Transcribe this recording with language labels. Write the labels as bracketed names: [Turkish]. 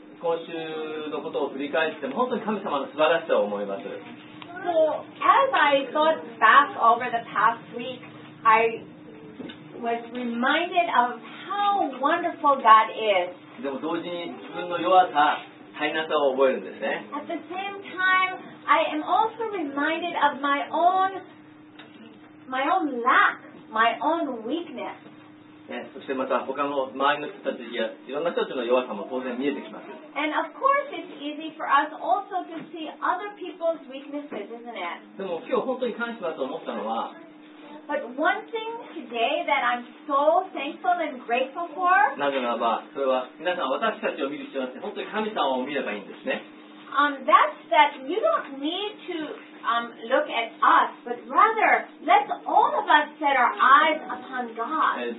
[Japanese] 今週のことを振り返っても本当に神様の素晴らしさを思います。 [English] So, as I thought back over the past week, I was reminded of how wonderful God is. [Japanese] でも同時に自分の弱さ、大変なさを覚えるんですね。 [English] At the same time, I am also reminded of my own lack, my own weakness. [Japanese] そしてまた他の周りの人たちやいろんな人たちの弱さも当然見えてきます。 [English] And of course it's easy for us also to see other people's weaknesses, isn't it? [Japanese] でも今日本当に感謝だと思ったのは、 [English] But one thing today that I'm so thankful and grateful for, [Japanese] なぜならばそれは皆さん私たちを見る必要があって本当に神様を見ればいいんですね。 [English] That's that you don't need to look at us, but rather let all of us set our eyes upon God.